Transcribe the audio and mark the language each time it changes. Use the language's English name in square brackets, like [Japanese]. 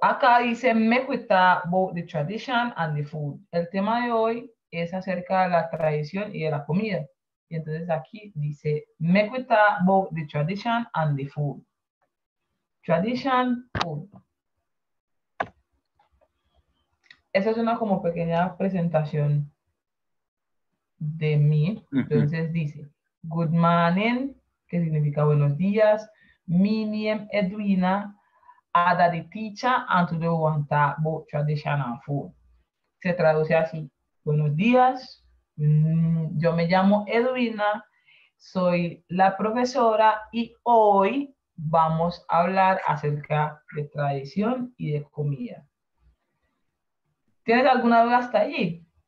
[Spanish] Acá dice, me cuesta [English] both the tradition and the food. [Spanish] El tema de hoy es acerca de la tradición y de la comida. Y entonces aquí dice, me cuesta [English] both the tradition and the food. Tradition, food. [Spanish] Esa es una como pequeña presentación de mí. Entonces dice, [English] good morning, [Spanish] que significa buenos días. [English] Mi name Edwina, I'm the teacher and today we want to talk about traditional food. [Spanish] Se traduce así, buenos días, yo me llamo Edwina, soy la profesora y hoy vamos a hablar acerca de tradición y de comida. ¿Tienes alguna duda hasta allí?